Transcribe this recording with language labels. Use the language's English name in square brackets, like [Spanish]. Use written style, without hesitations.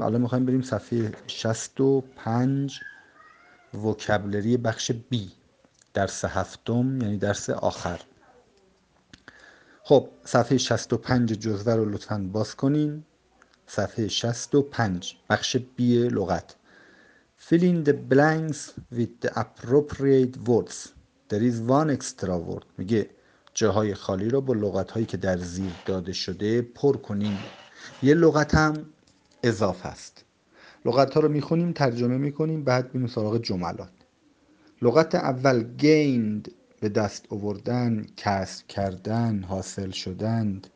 [Persian] الان میخواییم بریم صفحه 65 وکبلری بخش B، درس هفتم، یعنی درس آخر. خب، صفحه 65 جزوه رو لطفاً باز کنین. صفحه 65 بخش B لغت. [English] Fill in the blanks with the appropriate words. There is one extra word. [Persian] میگه جاهای خالی رو با لغت هایی که در زیر داده شده پر کنین. یه لغت هم اضافه است. لغت ها رو میخونیم، ترجمه میکنیم، بعد بریم سراغ جملات. لغت اول gained، به دست آوردن، کسب کردن، حاصل شدن.